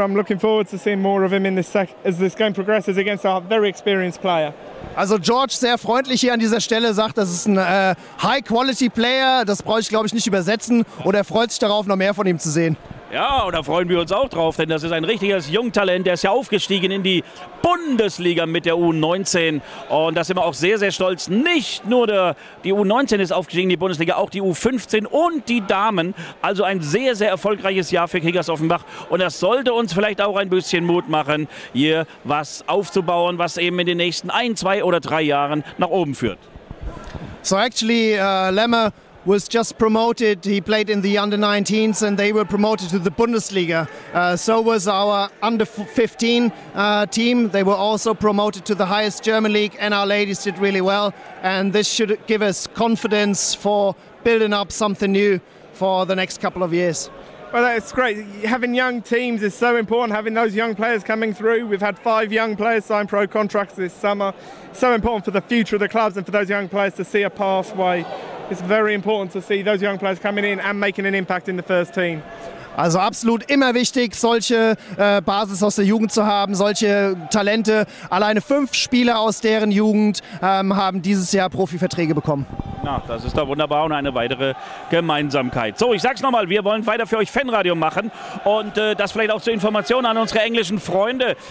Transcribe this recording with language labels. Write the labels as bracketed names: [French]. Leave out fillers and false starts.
[English] I'm looking forward to seeing more of him in as this game progresses against a very experienced player. [German] Also George sehr freundlich hier an dieser Stelle sagt, das ist ein [English] high quality player. [German] Das brauche ich glaube ich nicht übersetzen. Und er freut sich darauf, noch mehr von ihm zu sehen. Ja, und da freuen wir uns auch drauf, denn das ist ein richtiges Jungtalent. Der ist ja aufgestiegen in die Bundesliga mit der U19. Und da sind wir auch sehr, sehr stolz. Nicht nur die U19 ist aufgestiegen in die Bundesliga, auch die U15 und die Damen. Also ein sehr, sehr erfolgreiches Jahr für Kickers Offenbach. Und das sollte uns vielleicht auch ein bisschen Mut machen, hier was aufzubauen, was eben in den nächsten 1, 2 oder 3 Jahren nach oben führt. [English] So actually, Lemmer was just promoted. He played in the under-19s and they were promoted to the Bundesliga. So was our under-15 team. They were also promoted to the highest German league and our ladies did really well. And this should give us confidence for building up something new for the next couple of years. Well, that's great. Having young teams is so important, having those young players coming through. We've had 5 young players sign pro contracts this summer. So important for the future of the clubs and for those young players to see a pathway. It's very important to see those young players coming in and making an impact in the first team. [German] Also absolut immer wichtig, solche Basis aus der Jugend zu haben, solche Talente. Alleine 5 Spieler aus deren Jugend haben dieses Jahr Profiverträge bekommen. Na, das ist doch wunderbar und eine weitere Gemeinsamkeit. So, ich sag's nochmal, wir wollen weiter für euch Fanradio machen und das vielleicht auch zur Information an unsere englischen Freunde.